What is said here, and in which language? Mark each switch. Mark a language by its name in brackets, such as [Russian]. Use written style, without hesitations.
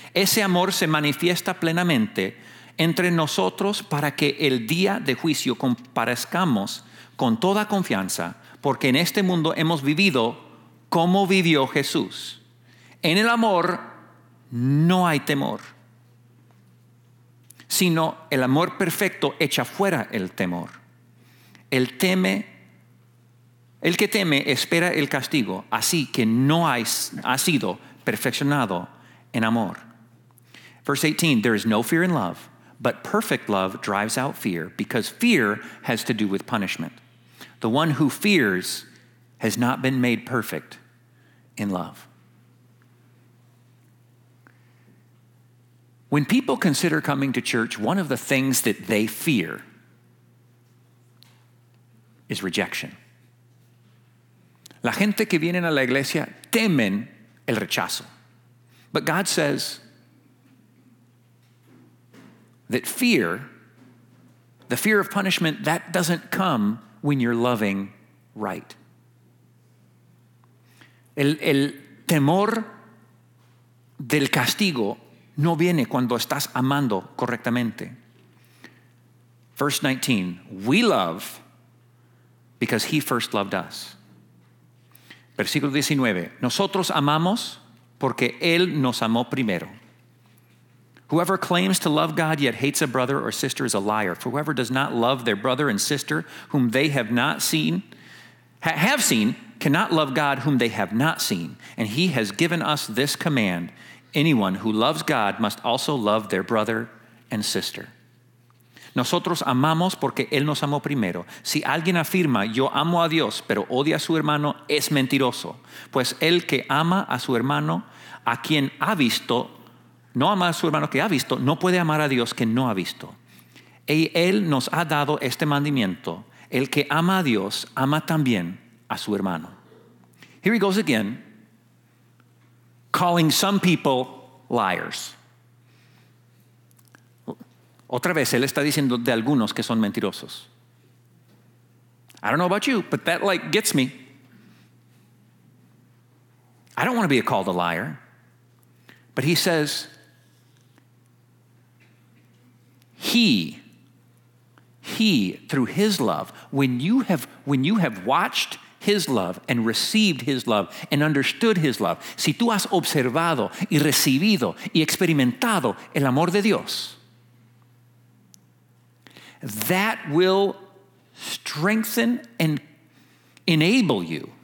[Spanish] Ese amor se manifiesta plenamente entre nosotros para que el día de juicio comparezcamos con toda confianza, porque en este mundo hemos vivido como vivió Jesús. En el amor no hay temor. sino el amor perfecto echa fuera el temor. El que teme espera el castigo, así que no ha sido perfeccionado en amor. [English] Verse 18, there is no fear in love, but perfect love drives out fear, because fear has to do with punishment. The one who fears has not been made perfect in love. When people consider coming to church, one of the things that they fear is rejection. [Spanish] La gente que viene a la iglesia temen el rechazo. [English] But God says that fear, the fear of punishment, that doesn't come when you're loving right. [Spanish] El temor del castigo no viene cuando estás amando correctamente. [English] Verse 19, we love because he first loved us. [Spanish] Versículo 19, nosotros amamos porque él nos amó primero. [English] Whoever claims to love God yet hates a brother or sister is a liar. For whoever does not love their brother and sister whom they have not seen, have seen, cannot love God whom they have not seen. And he has given us this command: anyone who loves God must also love their brother and sister. [Spanish] Nosotros amamos porque él nos amó primero. Si alguien afirma, yo amo a Dios, pero odia a su hermano, es mentiroso. Pues el que ama a su hermano, a quien ha visto, no ama a su hermano que ha visto, no puede amar a Dios que no ha visto. Y él nos ha dado este mandamiento: el que ama a Dios, ama también a su hermano. [English] Here he goes again, calling some people liars. [Spanish] Otra vez, él está diciendo de algunos que son mentirosos. [English] I don't know about you, but that like gets me. I don't want to be called a liar. But he says, he, through his love, when you have watched his love and received his love and understood his love, [Spanish] si tú has observado y recibido y experimentado el amor de Dios, [English] that will strengthen and enable you.